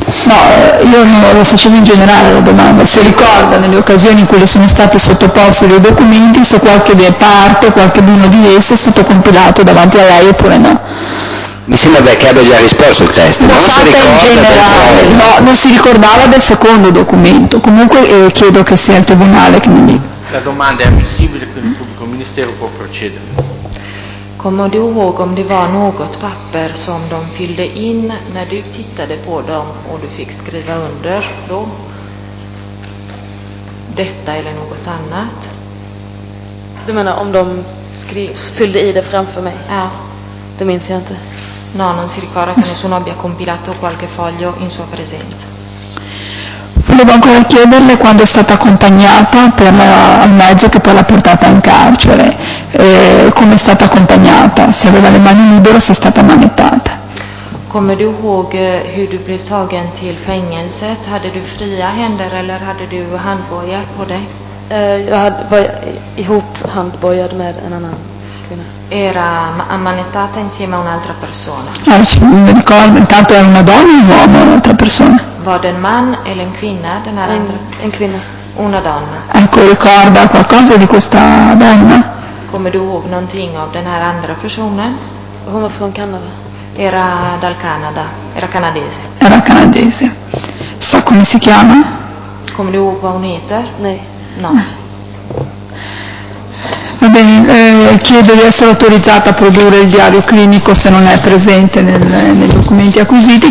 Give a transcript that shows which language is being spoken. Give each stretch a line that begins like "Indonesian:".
Italian: No, io lo facevo in generale la domanda, se ricorda nelle occasioni in cui le sono state sottoposte dei documenti, se qualche parte, qualche uno di esse è stato compilato davanti a lei oppure no. Mi sembra che abbia già risposto il testo, ma non si ricorda in generale, no, non si ricordava del secondo documento, comunque chiedo che sia il tribunale che mi dica. La domanda è ammissibile, quindi il pubblico ministero può procedere.
Swedish: Kommer du ihåg om det var något papper som de fyllde in när du tittade på dem och du fick skriva under då? Detta eller något annat? Du menar om de fyllde i det framför mig? Ja. Det minns jag inte.
Italian: No, non si ricorda che nessuno abbia compilato qualche foglio in sua presenza. Volevo ancora chiederle quando è stata accompagnata per al mezzo che poi l'ha portata in carcere, come è stata accompagnata, se aveva le mani libere o se è stata manettata.
Swedish: Kommer du ihåg hur du blev tagen till fängelset? Hade du fria händer eller hade du handbojor på dig? Jag hade ihop handbojor med en annan kvinna.
Italian: Era ammanettata insieme a un'altra persona. Mi ricordo, intanto era una donna o un uomo, un'altra persona?
Swedish: Var det en man eller en kvinna? En kvinna.
Italian: Una donna. Ecco, ricorda qualcosa di questa donna?
Swedish: Kommer du ihåg någonting av den här andra personen? Hon var från Kanada.
Italian: Era dal Canada, era canadese. Era canadese. Sa come si chiama? Come lo va un'eter? No. Va bene, chiedo di essere autorizzata a produrre il diario clinico se non è presente nei documenti acquisiti.